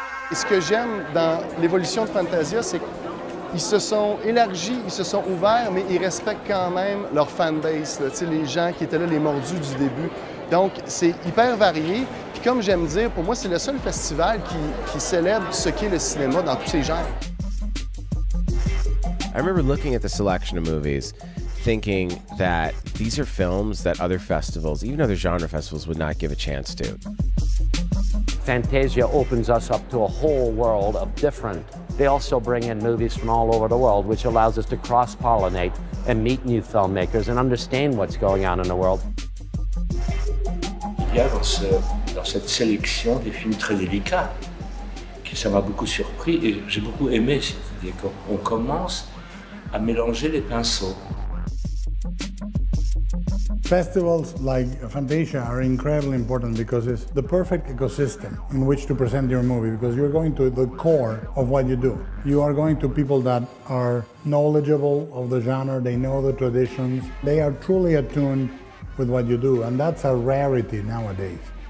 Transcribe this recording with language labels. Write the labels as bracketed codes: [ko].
[fr] Et ce que j'aime dans l'évolution de Fantasia, c'est que ils se sont élargis, ils se sont ouverts, mais ils respectent quand même leur fanbase, tu sais, les gens qui étaient là, les mordus du début. Donc, c'est hyper varié. Puis comme j'aime dire, pour moi, c'est le seul festival qui célèbre ce qu'est le cinéma dans tous ses genres. [en] I remember looking at the selection of movies, thinking that these are films that other festivals, even other genre festivals, would not give a chance to. Fantasia opens us up to a whole world of different. They also bring in movies from all over the world, which allows us to cross-pollinate and meet new filmmakers and understand what's going on in the world. [fr] Il y a dans cette sélection des films très délicats, que ça m'a beaucoup surpris et j'ai beaucoup aimé. C'est-à-dire qu'on commence à mélanger les pinceaux. [en] Festivals like Fantasia are incredibly important because it's the perfect ecosystem in which to present your movie, because you're going to the core of what you do. You are going to people that are knowledgeable of the genre, they know the traditions, they are truly attuned with what you do, and that's a rarity nowadays.